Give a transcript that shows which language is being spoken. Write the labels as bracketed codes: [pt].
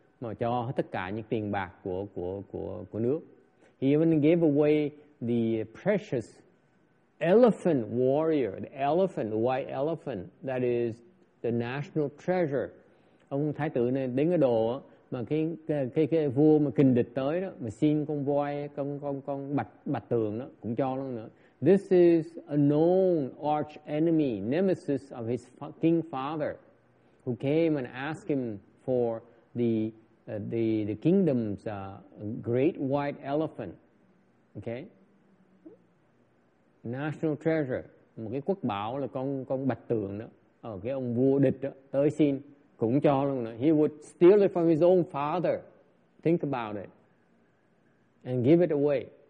[vi] Mà cho tất cả những tiền bạc của nước. [en] He even gave away the precious elephant warrior, the elephant, the white elephant, that is the national treasure. [vi] Ông thái tử này đến cái đồ mà cái vua mà kình địch tới đó, mà xin con voi, con bạch tường đó, cũng cho luôn nữa. [en] This is a known arch enemy, nemesis of his king father, who came and asked him for the kingdom's great white elephant, okay? [vi] National treasure, một cái quốc bảo là con bạch tường đó, ở cái ông vua địch đó, tới xin, cũng cho luôn nữa. [en] He would steal it from his own father, think about it, and give it away.